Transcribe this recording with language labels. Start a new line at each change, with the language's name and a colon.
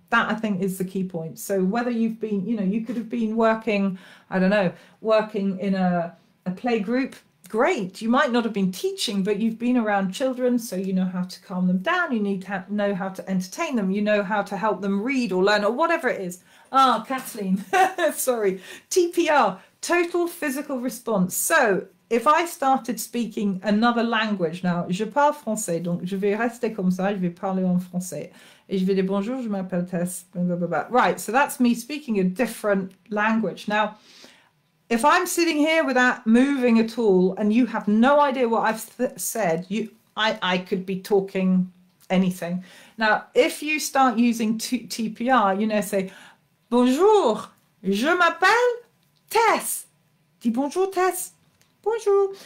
English: That, I think, is the key point. So whether you've been, you know, you could have been working, I don't know, working in a play group, great. You might not have been teaching, but you've been around children, so you know how to calm them down, you need to know how to entertain them, you know how to help them read or learn or whatever it is. Ah, Kathleen, sorry. TPR, total physical response. So if I started speaking another language now,
French: je parle français, donc je vais rester comme ça, je vais parler en français. Et je vais dire bonjour, je m'appelle Tess, blah, blah, blah, blah.
English: Right, so that's me speaking a different language. Now, if I'm sitting here without moving at all and you have no idea what I've said, I could be talking anything. Now, if you start using TPR, you know, say,
French: bonjour, je m'appelle Tess. Dis bonjour, Tess. Bonjour.